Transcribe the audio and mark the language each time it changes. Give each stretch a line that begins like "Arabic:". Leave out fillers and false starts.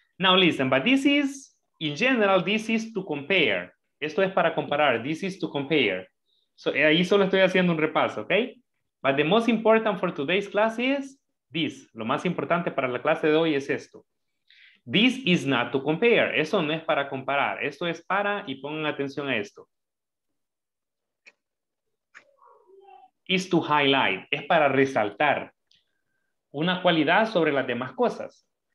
English: Now listen, but this is, in general, this is to compare.
Spanish: Esto es para comparar,
English: this is to compare.
Spanish: So, ahí solo estoy haciendo un repaso, okay?
English: But the most important for today's class is this.
Spanish: Lo más importante para la clase de hoy es esto.
English: This is not to compare.
Spanish: Eso no es para comparar. Esto es para, y pongan atención a esto.
English: Is to highlight.
Spanish: Es para resaltar una cualidad sobre las demás cosas.